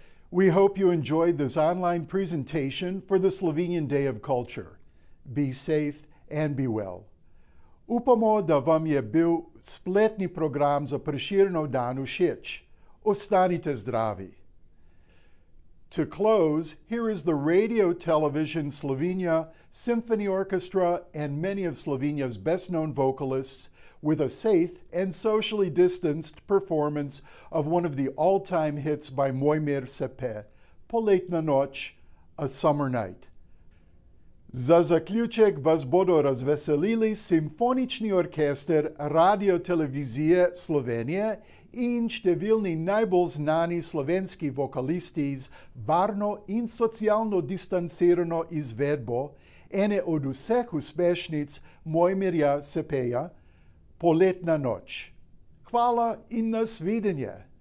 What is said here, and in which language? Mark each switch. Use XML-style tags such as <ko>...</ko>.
<en>We hope you enjoyed this online presentation for the Slovenian Day of Culture. Be safe and be well.</en> <sl>Upamo, da vam je bil spletni program za Prešernov dan všeč. Ostanite zdravi.</sl> <en>To close, here is the Radio Television Slovenia Symphony Orchestra and many of Slovenia's best-known vocalists with a safe and socially distanced performance of one of the all-time hits by Mojmir Sepe, Poletna noč, A Summer Night.</en> <sl>Za zaključek vas bodo razveselili Simfonični orkester Radio Televizije Slovenije in številni najbolj znani slovenski vokalisti z varno in socialno distancirano izvedbo ene od vseh uspešnic Mojmirja Sepeja, Poletna noč. Hvala in nasvidenje.</sl>